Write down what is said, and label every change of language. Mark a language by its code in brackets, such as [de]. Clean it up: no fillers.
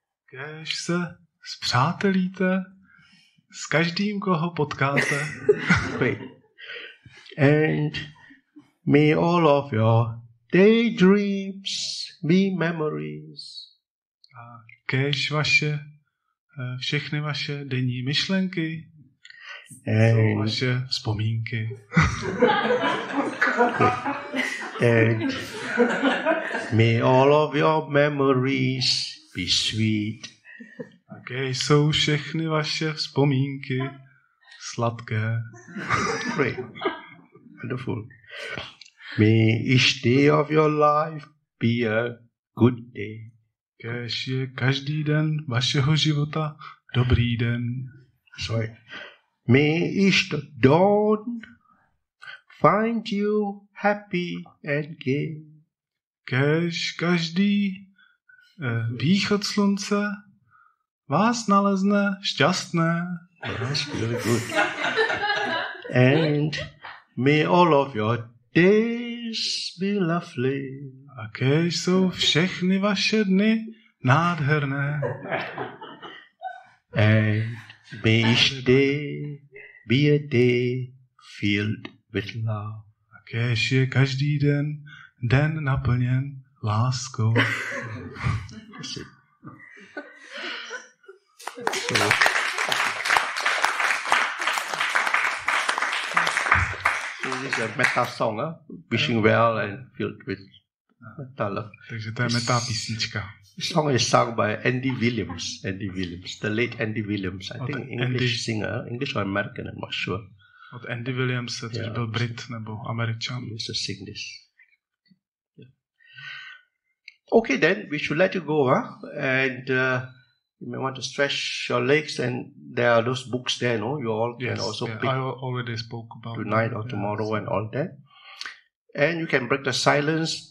[cs] Kéž se spřátelíte s každým, koho potkáte. [en] Great. And may all of your daydreams be memories. [cs] A kéž vaše, všechny vaše denní myšlenky [en] and [cs] jsou vaše vzpomínky. [en] And may all of your memories be sweet. [cs] A kéž jsou všechny vaše vzpomínky sladké. [en] Great. Wonderful. May each day of your life be a good day. [cs] Kéž je každý den vašeho života dobrý den. [en] Sorry. May each dawn find you happy and gay. [cs] Kéž každý východ slunce vás nalezne šťastné. [en] That's really good. And may all of your days be lovely. [cs] A kéž jsou všechny vaše dny nádherné. [en] And may each day be a day filled with love. [cs] A kéž je každý den naplněn láskou. [en] So. So this is a metta song, wishing well and filled with metta love. [cs] Takže to je metta písnička. [en] This song is sung by Andy Williams. Andy Williams, the late Andy Williams, I think English Andy. Singer, English or American, I'm not sure. [cs] Od Andy Williams, což byl Brit nebo Američan. [en] He used to sing this. Okay, then we should let you go, and you may want to stretch your legs. And there are those books there, no? You all can also pick. I already spoke about tonight or tomorrow and all that. And you can break the silence.